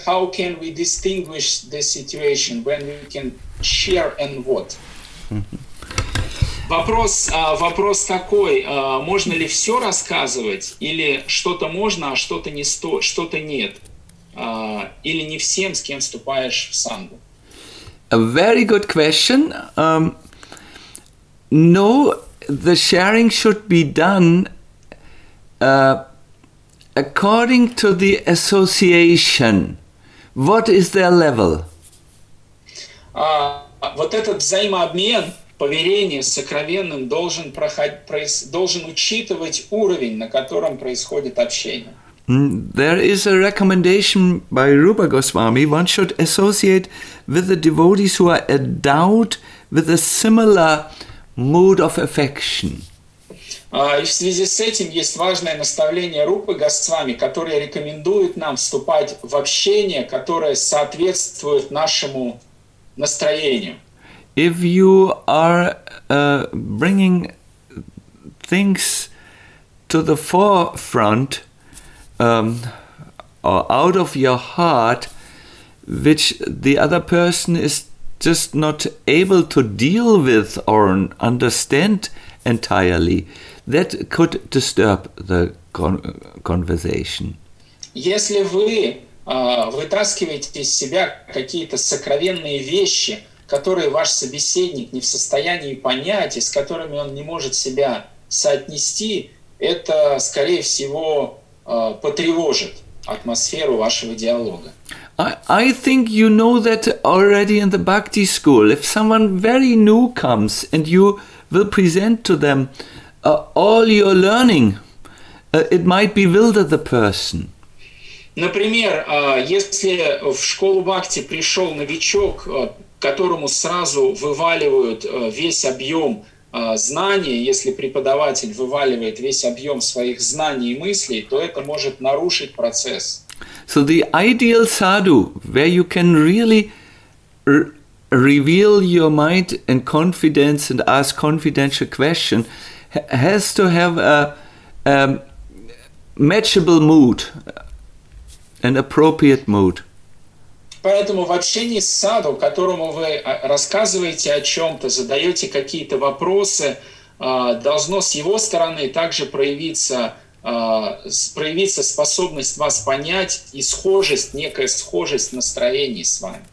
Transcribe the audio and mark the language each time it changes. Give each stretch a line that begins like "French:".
English: How can we distinguish the situation when we can share and what?
Russian: Вопрос такой: можно ли все рассказывать, или что-то можно, а что-то не сто, что-то нет, или не всем, с кем вступаешь в сангу?
English: A very good question. No, the sharing should be done according to the association. What is their level?
Russian: Вот этот взаимообмен. Поверение с сокровенным должен должен учитывать уровень, на котором происходит общение.
English: There is a recommendation by Rupa Goswami. One should associate with the devotees who are endowed with a similar mood of affection.
Russian: И в связи с этим есть важное наставление Рупы Госвами, которое рекомендует нам вступать в общение, которое соответствует нашему настроению.
English: If you are bringing things to the forefront or out of your heart, which the other person is just not able to deal with or understand entirely, that could disturb the conversation.
Russian: Если вы вытаскиваете из себя какие-то сокровенные вещи, которые ваш собеседник не в состоянии понять и с которыми он не может себя соотнести, это, скорее всего, потревожит атмосферу вашего диалога.
English: I think you know that already in the Bhakti school. If someone very new comes and you will present to them all your learning, it might bewilder the person.
Russian: Например, если в школу Бхакти пришел новичок, которому сразу вываливают весь объем знаний, если преподаватель вываливает весь объем своих знаний и мыслей, то это может нарушить процесс.
English: So the ideal sadhu, where you can really reveal your mind and confidence and ask confidential question, has to have a matchable mood, an appropriate mood.
Russian: Поэтому в общении с саду, которому вы рассказываете о чем-то, задаете какие-то вопросы, должно с его стороны также проявиться способность вас понять и схожесть, некая схожесть настроений с вами.